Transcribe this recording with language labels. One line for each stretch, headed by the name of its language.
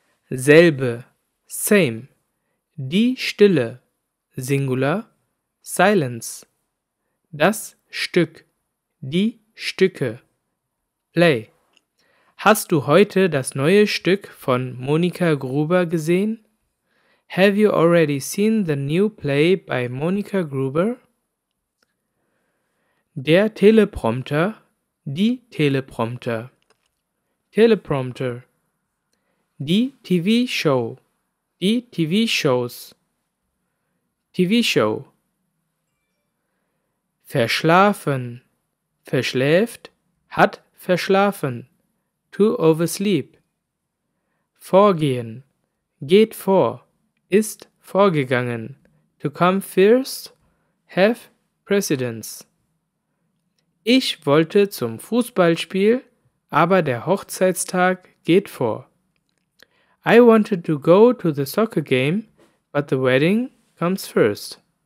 German: Selbe, same. Die Stille, singular, silence. Das Stück, die Stücke, play. Hast du heute das neue Stück von Monika Gruber gesehen?
English: Have you already seen the new play by Monika Gruber?
German: Der Teleprompter, die Teleprompter, teleprompter. Die TV-Show, die TV-Shows, TV-Show. Verschlafen, verschläft, hat verschlafen,
English: to oversleep.
German: Vorgehen, geht vor, ist vorgegangen,
English: to come first, have precedence.
German: Ich wollte zum Fußballspiel, aber der Hochzeitstag geht vor.
English: I wanted to go to the soccer game, but the wedding comes first.